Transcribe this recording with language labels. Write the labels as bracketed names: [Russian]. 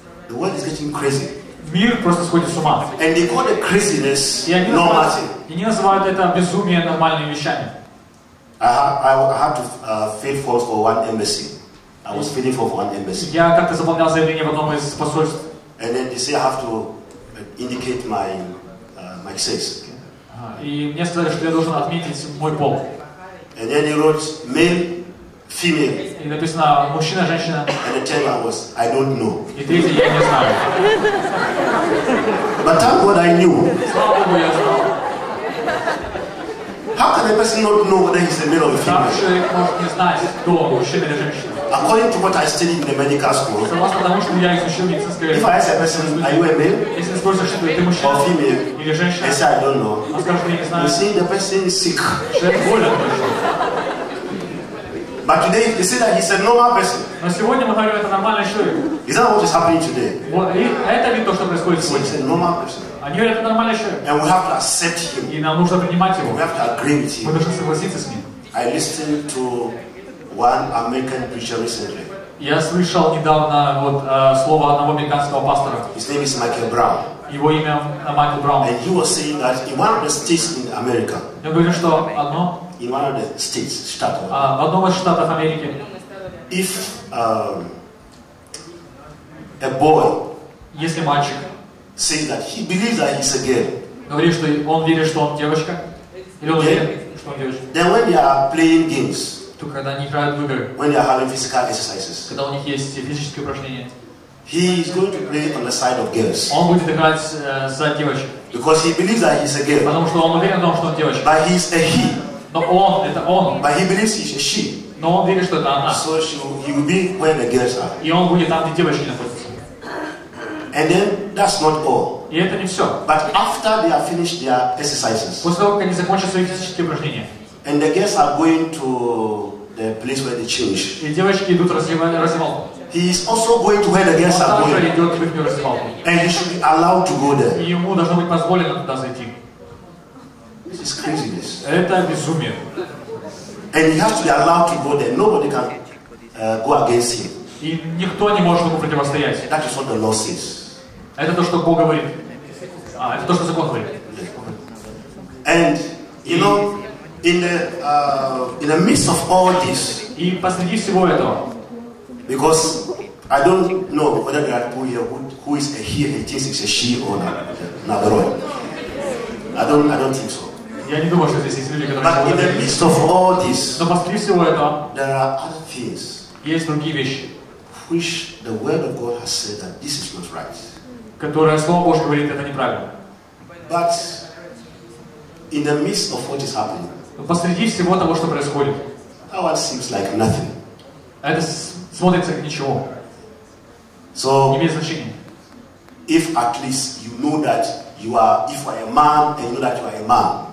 [English] The world is getting crazy. [Russian] Мир просто сходит с ума. [English] And they call the craziness normality. [Russian] И они называют это безумие нормальными вещами. [English] I was filling for one embassy. [Russian] Я как-то заполнял заявление в одном из посольств. [English] And then they say I have to indicate my sex. [Russian] И мне сказали, что я должен отметить мой пол. [English] And then he wrote male, female. [Russian] И написано мужчина, женщина. [English] And the third one was I don't know. [Russian] И третий я не знаю. [English] But thank God I knew. [Russian] Слава Богу, я знал. [English] How can a person not know whether he's a male or a female? [Russian] Как человек может не знать, кто он, мужчина или женщина? [English] According to what I studied in the medical school. [Russian] Согласно тому, что я изучил медицинское. [English] If I ask a person, are you a male? [Russian] Если спросишь, что ты мужчина? [English] Or female? [Russian] Или женщина? [English] I say I don't know. [Russian] Он скажет, я не знаю. [English] You see, the person is sick. [Russian] Человек болен. [English] But today they say that he's a normal person. [Russian] Но сегодня мы говорим, это нормальный человек. [English] Is that what is happening today? [Russian] Вот, это ведь то, что происходит сегодня. [English] He's a normal person. [Russian] Они говорят, это нормальный человек. [English] And we have to accept him. [Russian] И нам нужно принимать его. [English] We have to agree with him. [Russian] Мы должны согласиться с ним. [English] I listened to one American preacher recently. [Russian] Я слышал недавно вот слово одного американского пастора. [English] His name is Michael Brown. [Russian] Его имя Майкл Браун. [English] And he was saying that in one of the states in America. [Russian] Я говорю, что одно. [English] In one of the states, [Russian] штатов. В одном из штатов Америки. [English] If a boy, [Russian] если мальчик, [English] says that he believes that he's a girl. [Russian] Говорит, что он верит, что он девочка. Или он верит, что он девочка. [English] Then when they are playing games, [Russian] то когда они играют в игры, [English] when they are having physical exercises, [Russian] когда у них есть физические упражнения, [English] He is going to play on the side of girls. [Russian] Он будет играть за девочек. [English] Because he believes that he's a girl. [Russian] Потому что он уверен в том, что он девочка. [English] But he's a he. [Russian] Но он, это он. [English] But he believes he's a she. [Russian] Но он верит, что это она. [English] So he will be where the girls are. [Russian] И он будет там, где девочки находятся. [English] And then that's not all. [Russian] И это не все. [English] But after they have finished their exercises. [Russian] После того, как они закончат свои физические упражнения. [English] And the girls are going to the place where they change. [Russian] И девочки идут в раздевалку. [English] He is also going to where the girls are going. [Russian] Он также идет в их раздевалку. [English] And he should be allowed to go there. [Russian] И ему должно быть позволено туда зайти. [English] This is craziness. [Russian] Это безумие. [English] And he has to be allowed to go there. Nobody can go against him. [Russian] И никто не может ему противостоять. [English] That is what the law says. [Russian] Это то, что Бог говорит. А, это то, что закон говорит. [English] And you know, in the midst of all this. [Russian] И посреди всего этого. [English] Because I don't know whether there are people here who is a he and thinks it's a she or not. I don't think so. [Russian] Я не думаю, что здесь есть люди, которые. [English] But in the midst of all this. [Russian] Но посреди всего этого. [English] There are other things. [Russian] Есть другие вещи. [English] Which the word of God has said that this is not right. [Russian] Которое слово Божье говорит, это неправильно. [English] But in the midst of what is happening. [Russian] Но посреди всего того, что происходит. [English] That seems like nothing. [Russian] Это смотрится как ничего. [English] So, [Russian] не имеет значения. [English] If at least you know that you are, if you are a man and you know that you are a man.